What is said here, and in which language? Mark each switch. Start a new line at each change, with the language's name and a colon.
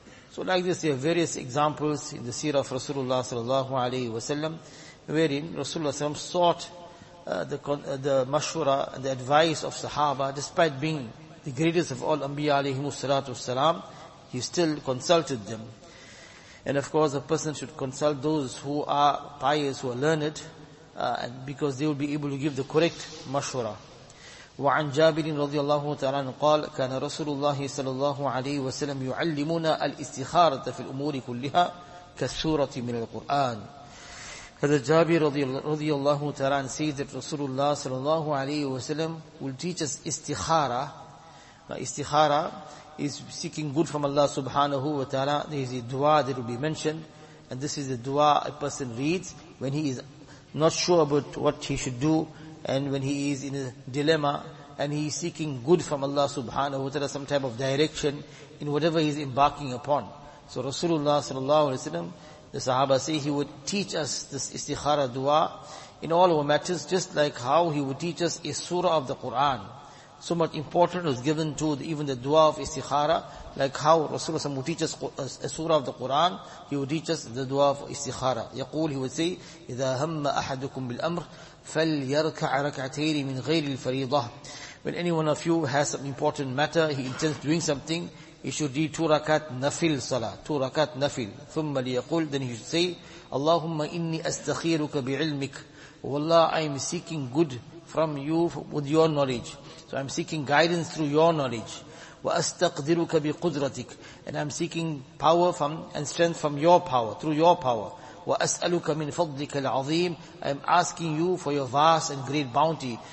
English: So like this, there are various examples in the seerah of Rasulullah sallallahu alayhi wa sallam, wherein Rasulullah sallallahu alayhi wa sallam sought the mashwara and the advice of sahaba. Despite being the greatest of all anbiya alayhi salatu wasalam, he still consulted them. And of course, a person should consult those who are pious, who are learned, and because they will be able to give the correct mashwara.
Arabic: وعن جابر رضي الله تعالى قال كان رسول الله صلى الله عليه وسلم يعلمنا الاستخارة في الأمور كلها كالسورة من القرآن.
English: هذا جابر رضي الله تعالى says that رسول الله صلى الله عليه وسلم will teach us استخارة. Now استخارة is seeking good from Allah سبحانه وتعالى. There is a dua that will be mentioned, and this is the dua a person reads when he is not sure about what he should do, and when he is in a dilemma and he is seeking good from Allah subhanahu wa ta'ala, some type of direction in whatever he is embarking upon. So Rasulullah sallallahu alayhi wa sallam, the sahaba say, he would teach us this istikhara dua in all our matters, just like how he would teach us a surah of the Quran. So much importance was given to even the dua of istikhara, like how Rasulullah sallallahu alayhi wa sallam would teach us a surah of the Quran, he would teach us the dua of istikhara. Yaqul, he would say,
Arabic: إِذَا هَمَّ أَحَدُكُمْ بِالْأَمْرِ فَلْيَرْكَعْ رَكْعَتَيْنِ مِنْ غَيْرِ الْفَرِيضَةِ.
English: When any one of you has some important matter, he intends doing something, he should read 2 rakat nafil salah.
Arabic: ثُمَّ لِيَقُولْ,
English: then he should say,
Arabic: اللَّهُمَّ إِنِّي أَسْتَخِيرُكَ بِعِلْمِكَ.
English: Wallah, I am seeking good from you with your knowledge. So I am seeking guidance through your knowledge.
Arabic: وَأَسْتَقْدِرُكَ بِقُدْرَتِكَ.
English: And I am seeking power from and strength from your power, through your power.
Arabic: وَأَسْأَلُكَ مِنْ فَضْلِكَ الْعَظِيمِ.
English: I am asking you for your vast and great bounty.